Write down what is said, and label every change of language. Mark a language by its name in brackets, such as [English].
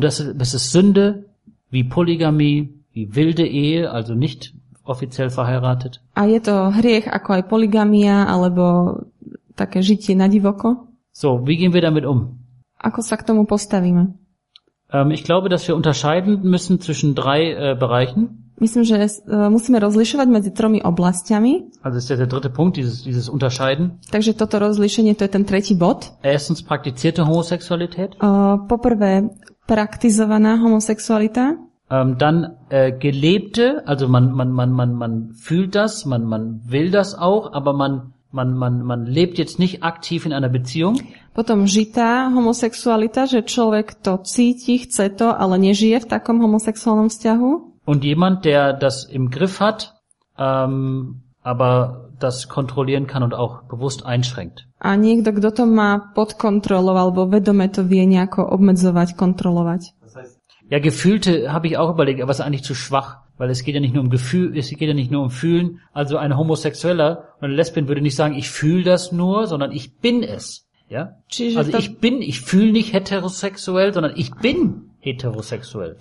[German] Und das ist Sünde, wie Polygamie, wie wilde Ehe, also nicht offiziell verheiratet. [Slovak] A je to hriech ako aj polygamia, alebo také žitie na divoko. [German] So, wie gehen wir damit um? [Slovak] Ako sa k tomu postavíme? [German] Ich glaube, dass wir unterscheiden müssen zwischen drei Bereichen. [Slovak] Myslím, že musíme rozlišovať medzi tromi oblastiami. [German] Also ist ja der dritte Punkt, dieses Unterscheiden. [Slovak] Takže toto rozlišenie, to je ten tretí bod. [German] Erstens praktizierte Homosexualität. [Slovak] Poprvé praktizovaná homosexualita. [German] Gelebte, also man fühlt das, man will das auch, aber man lebt jetzt nicht aktiv in einer Beziehung. [Slovak] Potom žitá homosexualita, že človek to cíti, chce to, ale nežije v takom homosexuálnom vzťahu. [German] Und jemand, der das im Griff hat, aber das kontrollieren kann und auch bewusst einschränkt. [Slovak] A niekto, kto to má pod kontrolou alebo vedome to vie nejako obmedzovať, kontrolovať. [German] Ja, gefühlte habe ich auch überlegt, aber es ist eigentlich zu schwach, weil es geht ja nicht nur um Gefühl, es geht ja nicht nur um Fühlen. Also ein Homosexueller und eine Lesbin würde nicht sagen, ich fühle das nur, sondern ich bin es. Ja? Also ich fühle nicht heterosexuell, sondern ich bin heterosexuell.